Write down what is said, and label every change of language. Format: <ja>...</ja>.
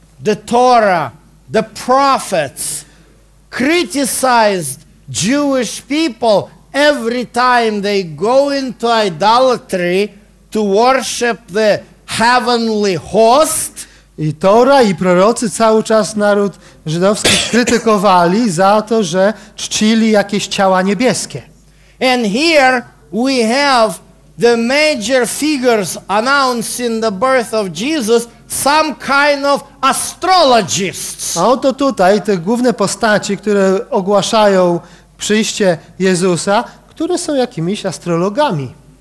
<en>The Torah, the prophets criticized Jewish people every time they go into idolatry to worship the heavenly host.</en> <pl>I Tora i prorocy cały czas naród żydowski krytykowali za to, że czcili jakieś ciała niebieskie.</pl> <en>And here we have the major figures announcing the birth of Jesus, some kind of astrologists.</en> <pl>A oto tutaj te główne postaci, które ogłaszają przyjście Jezusa, które są jakimiś astrologami.</pl>